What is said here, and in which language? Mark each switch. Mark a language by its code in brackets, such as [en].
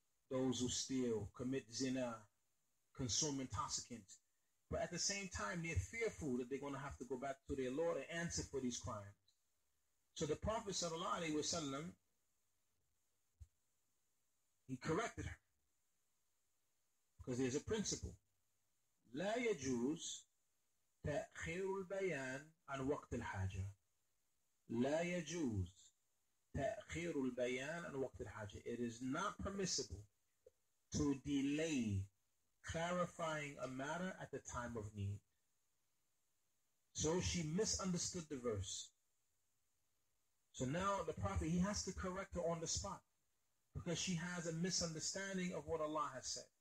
[en] Those who steal, commit zina, consume intoxicants. But at the same time, they're fearful that they're going to have to go back to their Lord and answer for these crimes. So the Prophet sallallahu alaihi wasallam, he corrected her. Because there's a principle. [ar] لا يجوز تأخير البيان عن وقت الحاجة. لا يجوز تأخير البيان عن وقت الحاجة. [en] It is not permissible to delay clarifying a matter at the time of need. So she misunderstood the verse. So now the Prophet, he has to correct her on the spot because she has a misunderstanding of what Allah has said.